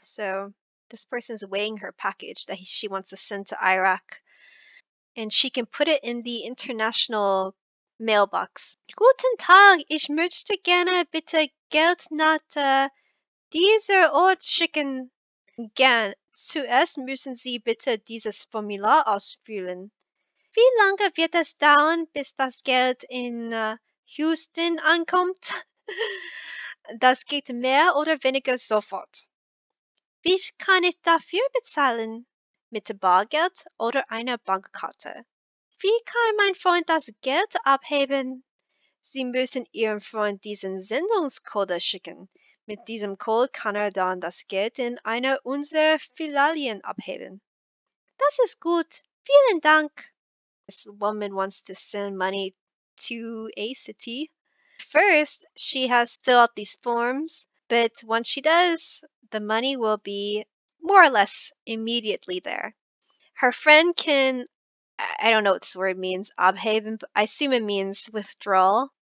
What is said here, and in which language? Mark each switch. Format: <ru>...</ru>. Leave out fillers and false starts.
<en>So, this person is weighing her package that she wants to send to Iraq. And she can put it in the international mailbox.</en> <de>Guten Tag, ich möchte gerne bitte Geld nach dieser Ort schicken. Gern, zuerst müssen Sie bitte dieses Formular ausfüllen. Wie lange wird es dauern, bis das Geld in Houston ankommt? Das geht mehr oder weniger sofort. Wie kann ich dafür bezahlen? Mit Bargeld oder einer Bankkarte. Wie kann mein Freund das Geld abheben? Sie müssen Ihrem Freund diesen Sendungscode schicken. Mit diesem Code kann er dann das Geld in einer unserer Filialen abheben. Das ist gut. Vielen Dank.</de> <en>This woman wants to send money to a city. First, she has to fill out these forms, but once she does, the money will be more or less immediately there. Her friend can, I don't know what this word means, abheben, I assume it means withdrawal.</en>